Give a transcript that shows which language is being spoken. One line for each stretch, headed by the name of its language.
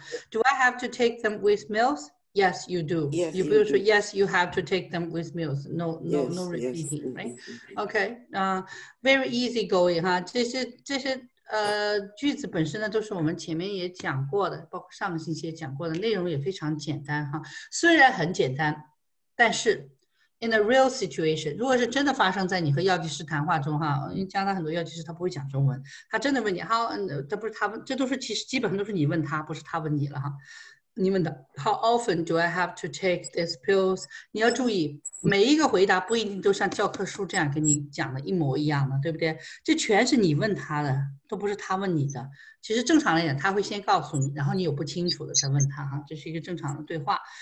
English: Do I have to take them with meals? Yes, you do. Yes, you will say, yes, you have to take them with meals. No repeating, yes, right? Okay. Very easy going, huh?
Chinese: 这些句子本身呢都是我们前面也讲过的，包括上个星期也讲过的，内容也非常简单哈。虽然很简单，但是
English: in a real situation,
Chinese: 如果是真的发生在你和药剂师谈话中哈，因为加拿大很多药剂师他不会讲中文，他真的问你，这都是其实基本上都是你问他，不是他问你了哈。你们的
English: How often do I have to take these pills?
Chinese: 你要注意，每一个回答不一定都像教科书这样跟你讲的一模一样的，对不对？这全是你问他的，都不是他问你的。其实正常来讲，他会先告诉你，然后你有不清楚的再问他，这是一个正常的对话。